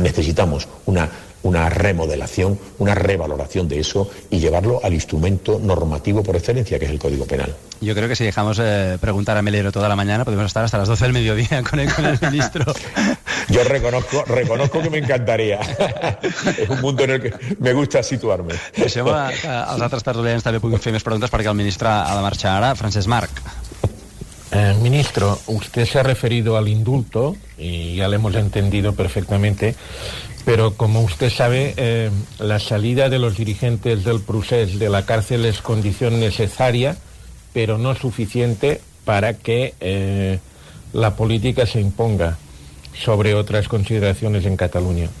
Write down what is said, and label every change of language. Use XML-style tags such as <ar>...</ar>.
<es>Necesitamos una remodelación, una revaloración de eso y llevarlo al instrumento normativo por excelencia, que es el Código Penal. Yo creo que si dejamos preguntar a Melero toda la mañana, podemos estar hasta las 12 del mediodía con el ministro. Yo reconozco que me encantaría. Es un punto en el que me gusta situarme.</es> <ca>Deixem als altres tertulians també puguin fer més preguntes, perquè el ministre ha de marxar ara. Francesc Marc.</ca> <es>Ministro, usted se ha referido al indulto y ya lo hemos entendido perfectamente, pero como usted sabe, la salida de los dirigentes del procés de la cárcel es condición necesaria, pero no suficiente para que la política se imponga sobre otras consideraciones en Cataluña.</es>